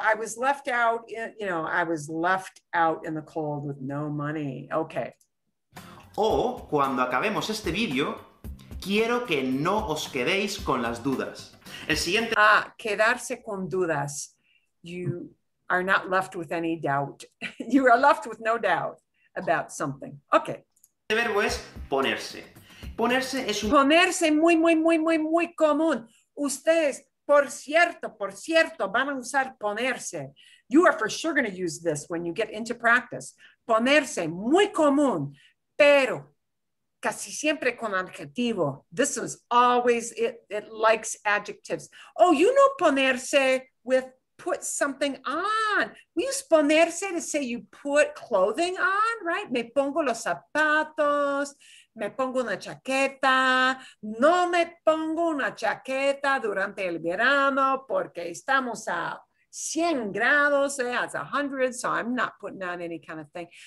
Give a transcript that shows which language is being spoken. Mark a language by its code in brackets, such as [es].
[en] I was left out, I was left out in the cold with no money. Okay. [es] O cuando acabemos este vídeo, quiero que no os quedéis con las dudas. El siguiente... [en] Ah, [es] quedarse con dudas. [en] You are not left with any doubt. You are left with no doubt about something. Okay. [es] El verbo es ponerse. Ponerse es un... Ponerse muy, muy, muy, muy, muy común. Ustedes, por cierto, van a usar ponerse. [en] You are for sure going to use this when you get into practice. [es] Ponerse, muy común, pero casi siempre con adjetivo. [en] This is always, it likes adjectives. Oh, you know ponerse with put something on. We use ponerse to say you put clothing on, right? [es] Me pongo los zapatos. Me pongo una chaqueta, no me pongo una chaqueta durante el verano porque estamos a 100 grados, [en] that's 100, so I'm not putting on any kind of thing.